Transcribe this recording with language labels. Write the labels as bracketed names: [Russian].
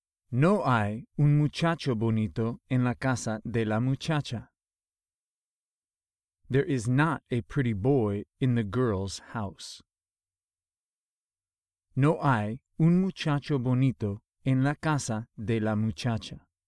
[Spanish] No hay un muchacho bonito en la casa de la muchacha. [English] There is not a pretty boy in the girl's house. [Spanish] No hay un muchacho bonito en la casa de la muchacha.